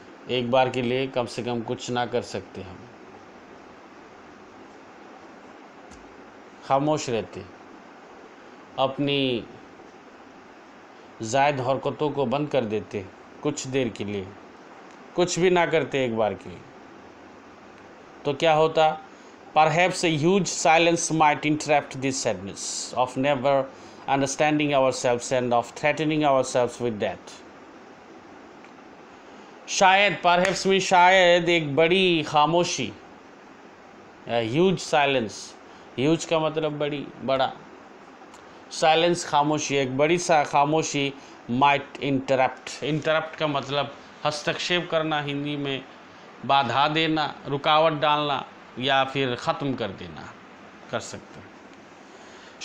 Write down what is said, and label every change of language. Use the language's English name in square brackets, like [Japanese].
[Hindi] एक बार के लिए कम से कम कुछ ना कर सकते, हम खामोश रहते, अपनी जायद हरकतों को बंद कर देते कुछ देर के लिए, कुछ भी ना करते एक बार के लिए, तो क्या होता? [English] Perhaps a huge silence might interrupt this sadness of never understanding ourselves and of threatening ourselves with death. [Hindi] शायद, perhaps में शायद एक बड़ी खामोशी, [English] huge silence, [Hindi] huge का मतलब बड़ी, बड़ा, silence खामोशी, एक बड़ी सा खामोशी [English] might interrupt, [Hindi] interrupt का मतलब हस्तक्षेप करना, हिंदी में बाधा देना, रुकावट डालना, या फिर ख़त्म कर देना, कर सकते हैं।